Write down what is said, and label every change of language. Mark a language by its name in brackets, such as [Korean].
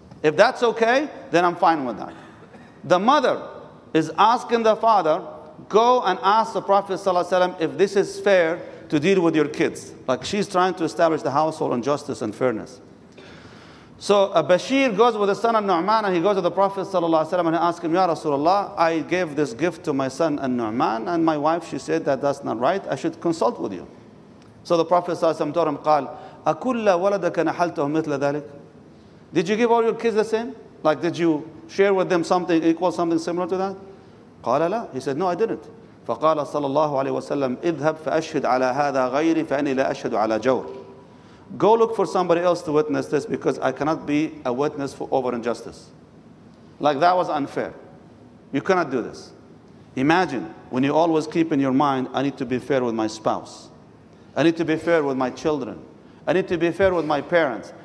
[English] If that's okay, then I'm fine with that. The mother is asking the father, go and ask the Prophet if this is fair to deal with your kids. Like she's trying to establish the household on justice and fairness. So Bashir goes with the son of Nu'man and he goes to the Prophet and he asks him, Ya Rasulullah, I gave this gift to my son and Nu'man and my wife, she said that that's not right. I should consult with you. So the Prophet ﷺ told him, [Arabic] قال, أَكُلَّ وَلَدَكَ نَحَلْتُهُ مِثْلَ ذَلِكَ. [English] Did you give all your kids the same? Like, did you share with them something equal, something similar to that? [Arabic] قال لا. [English] He said, no, I didn't. [Arabic] فقال صلى الله عليه وسلم, اذهب فأشهد على هذا غيري فأني لا أشهد على جور. [English] Go look for somebody else to witness this because I cannot be a witness for over injustice. Like, that was unfair. You cannot do this. Imagine when you always keep in your mind, I need to be fair with my spouse. I need to be fair with my children. I need to be fair with my parents.